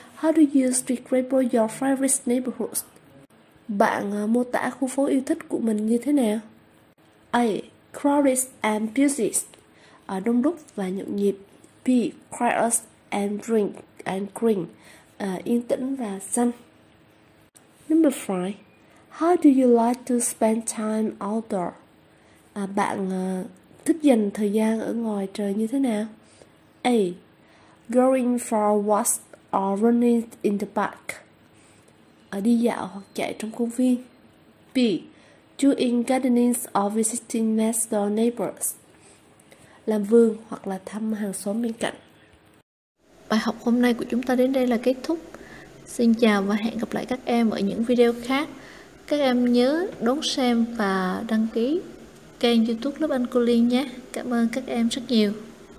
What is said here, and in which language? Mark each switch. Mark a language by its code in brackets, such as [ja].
[en] How do you describe your favorite neighborhoods? [vi] Bạn mô tả khu phố yêu thích của mình như thế nào? A. [en] Crowded and busy, [vi] đông đúc và nhộn nhịp. B. [en] Quiet and drink and green, [vi] yên tĩnh và xanh. [en] Number 5. How do you like to spend time outdoor? [vi] Bạn thích dành thời gian ở ngoài trời như thế nào? [en] A. Going for walks or running in the park. [vi] Đi dạo hoặc chạy trong công viên. [en] B. Doing gardening or visiting next door neighbors. [vi] Làm vườn hoặc là thăm hàng xóm bên cạnh. Bài học hôm nay của chúng ta đến đây là kết thúc. Xin chào và hẹn gặp lại các em ở những video khác. Các em nhớ đón xem và đăng ký kênh YouTube lớp Anh Cô Liên nhé. Cảm ơn các em rất nhiều.